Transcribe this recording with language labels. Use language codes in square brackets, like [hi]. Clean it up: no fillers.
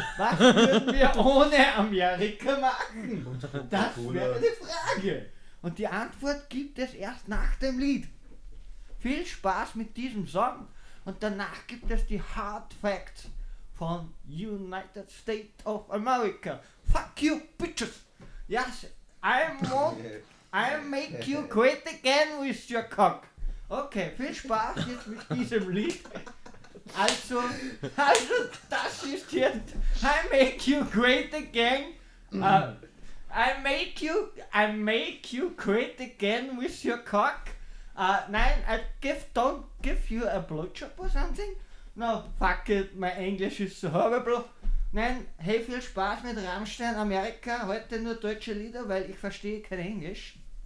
[de] Was würden wir ohne Amerika machen? Das wäre die Frage. Und die Antwort gibt es erst nach dem Lied. Viel Spaß mit diesem Song und danach gibt es die Hard Facts von United States of America. [en] Fuck you, bitches! Yes, I'll make you great again with your cock. Okay, viel Spaß jetzt mit diesem Lied. Also, das ist jetzt I'll make you great again. I'll make you great again with your cock. Nein, don't give you a blowjob or something. No, fuck it, [de] mein Englisch ist so horrible. Nein, hey, viel Spaß mit Rammstein Amerika. Heute nur deutsche Lieder, weil ich verstehe kein Englisch.